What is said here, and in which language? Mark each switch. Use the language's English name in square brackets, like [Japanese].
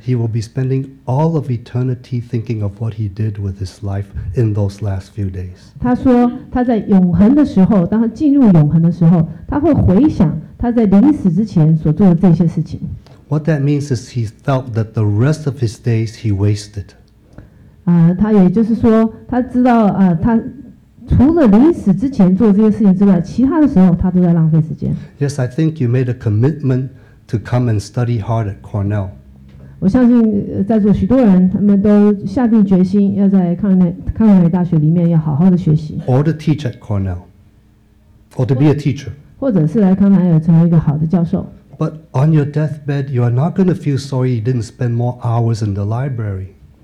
[English] He will be spending all of eternity thinking of what he did with his life in those last few days. [Chinese] 他说他在永恒的时候，当他进入永恒的时候，他会回想他在临死之前所做的这些事情。 [English] What that means is he felt that the rest of his days he wasted. [Chinese] 他也就是说，他知道，他除了临死之前做这些事情之外，其他的时候他都在浪费时间。 [English] Yes, I think you made a commitment to come and study hard at Cornell. [Chinese] 我相信在座许多人，他们都下定决心要在康奈尔大学里面要好好的学习。 [English] Or to teach at Cornell. Or to be a teacher. [Chinese] 或者是来康奈尔成为一个好的教授。 [English] But on your deathbed, you are not going to feel sorry you didn't spend more hours in the library.